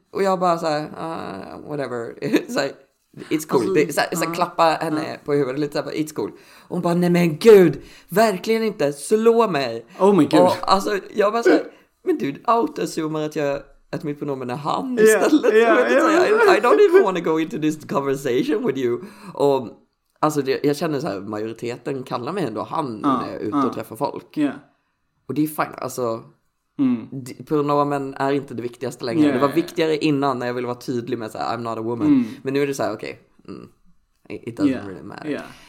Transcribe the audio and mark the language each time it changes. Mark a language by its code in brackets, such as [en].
[sv] Och jag bara såhär, [en] whatever. It's cool. [sv] Alltså, det, så klappa henne på huvudet lite såhär, [en] it's cool. [sv] Och hon bara, nej men gud, verkligen inte, slå mig. [en] Oh my god. [sv] Alltså jag bara såhär, men du autozoomar att jag, att mitt pronomen är han istället. [en] I don't even want to go into this conversation with you. [sv] Och alltså jag känner så här, majoriteten kallar mig ändå han när jag är ute och träffar folk. Och det är fine, alltså pronomen är inte det viktigaste längre. Det var viktigare innan när jag ville vara tydlig med såhär, [en] I'm not a woman. [sv] Men nu är det så här, okej, [en] it doesn't really matter.